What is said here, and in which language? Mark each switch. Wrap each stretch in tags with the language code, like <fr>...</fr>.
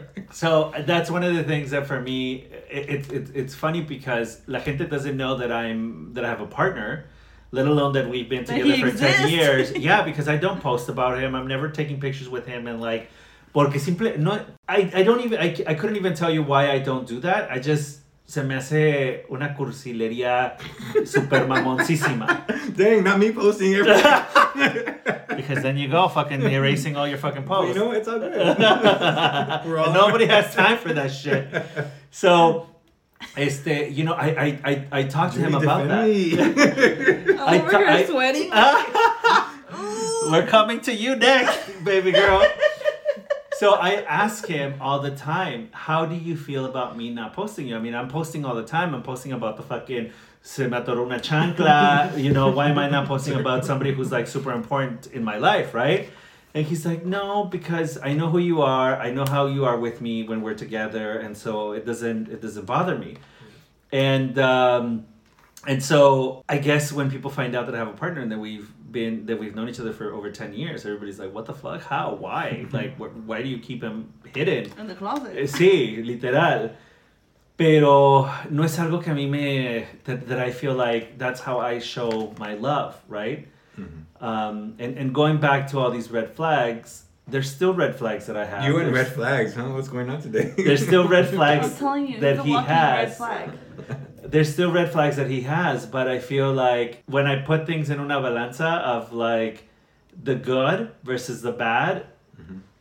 <en>So that's one of the things that, for me, it's funny, because</en> <es>la gente</es> <en>doesn't know that I have a partner, let alone that we've been together for 10 years. Yeah, because I don't post about him. I'm never taking pictures with him. And like,</en> <es>porque simple, no,</es> <en>I don't even, I couldn't even tell you why I don't do that. I just...</en> <es>Se me hace una cursilería super mamoncísima.</es> <en>Dang, not me posting everything. Because then you go fucking erasing all your fucking posts. You know, it's all good. We're all nobody right. has time for that shit. So, you know, I talked to him about that. We're sweating. We're coming to you next, baby girl. So I ask him all the time, how do you feel about me not posting you? I mean, I'm posting all the time. I'm posting about the fucking</en> <es>se me atoró una chancla.</es> <en>You know, why am I not posting about somebody who's like super important in my life, right? And he's like, no, because I know who you are. I know how you are with me when we're together. And so it doesn't bother me. And so I guess when people find out that I have a partner and that we've known each other for over 10 years, everybody's like, what the fuck? How? Why? Like, why do you keep him hidden? In the closet.</en> <es>Sí, literal. Pero no es algo que a mí me...</es> <en>That I feel like that's how I show my love, right? Mm-hmm. And going back to all these red flags, there's still red flags that I have. You and red flags, huh? What's going on today? There's still red flags that he has. I'm telling you, he's a walking red flag. There's still red flags that he has, but I feel like when I put things in</en> <es>una balanza</es> <en>of like the good versus the bad, mm-hmm.</en>